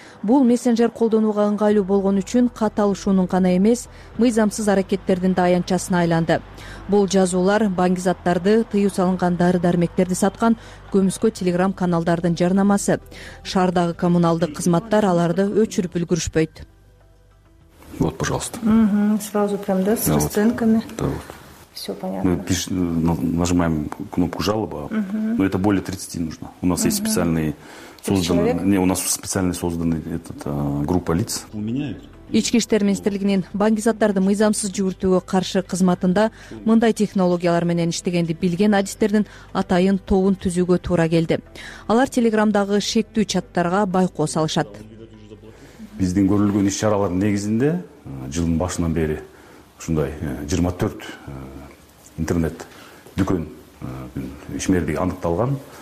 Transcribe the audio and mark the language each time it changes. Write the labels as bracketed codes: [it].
[ky] Бул мессенджер колдонууга ыңгайлуу болгон үчүн катталышуунун гана эмес, мыйзамсыз аракеттердин да аянтчасына айланды. Бул жазуулар баңгизаттарды, тыюу салынган дары-дармектерди саткан көмүскө телеграм каналдардын жарнамасы. Шаардагы коммуналдык кызматтар аларды өчүрүп үлгүрүшпөйт. [ru] Вот, пожалуйста. Сразу прям, да, с расценками. Да, вот. Все понятно. Мы нажимаем кнопку жалоба. Но это более 30 нужно. У нас есть специальные созданные. Не, у нас специально созданный этот группа лиц. У меня есть. [ky] Ички иштер министрлигинин баңгизаттарды мыйзамсыз жүгүртүүгө каршы кызматында мындай технологиялар менен иштегенди билген адистердин атайын тобун түзүүгө туура келди. Алар телеграмдагы шектүү чаттарга байкоо салышат. Биздин көрүлгөн иш чаралардын негизинде жылдын башынан бери ушундай 24 интернет дүкөн ишмердиги аныкталган.